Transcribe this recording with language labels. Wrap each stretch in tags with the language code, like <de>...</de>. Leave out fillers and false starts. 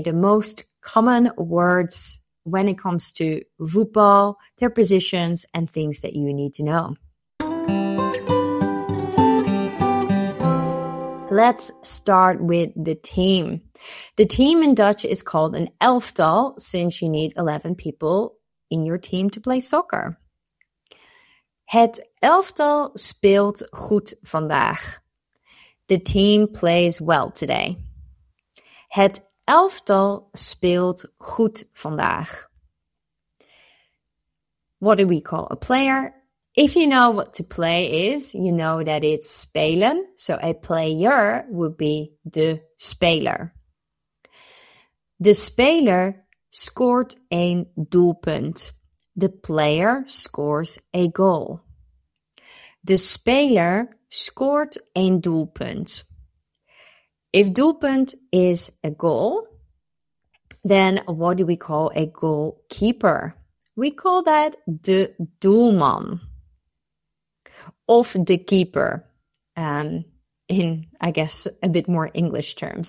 <en>The most common words when it comes to voetbal, their positions, and things that you need to know. Let's start with the team. The team in Dutch is called an elftal, since you need 11 people in your team to play soccer.</en> <nl>Het elftal speelt goed vandaag.</nl> <en>The team plays well today.</en> <nl>Het elftal speelt goed vandaag.</nl> <en>What do we call a player? If you know what to play is, you know that it's spelen. So a player would be de speler.</en> <nl>De speler scoort een doelpunt.</nl> <en>The player scores a goal.</en> <nl>De speler scoort een doelpunt.</nl> <en>If doelpunt is a goal, then what do we call a goalkeeper? We call that de doelman. Of the keeper, in, I guess, a bit more English terms.</en>